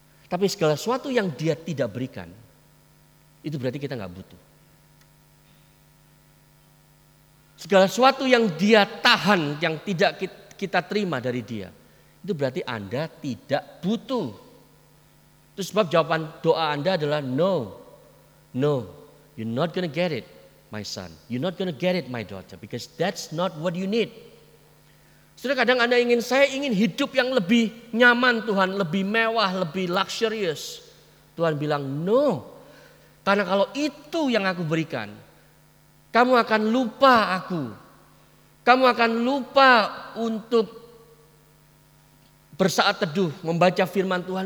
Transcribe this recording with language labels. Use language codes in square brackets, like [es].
[id] Tapi segala sesuatu yang Dia tidak berikan, itu berarti kita gak butuh. Segala sesuatu yang Dia tahan, yang tidak kita terima dari Dia, itu berarti Anda tidak butuh. Itu sebab jawaban doa Anda adalah no. [en] No, you're not gonna get it, my son. You're not gonna get it, my daughter. Because that's not what you need. [id] Sudah kadang Anda ingin, saya ingin hidup yang lebih nyaman Tuhan, lebih mewah, lebih luxurious. Tuhan bilang no. Karena kalau itu yang aku berikan, kamu akan lupa aku. Kamu akan lupa untuk bersaat teduh, membaca firman Tuhan.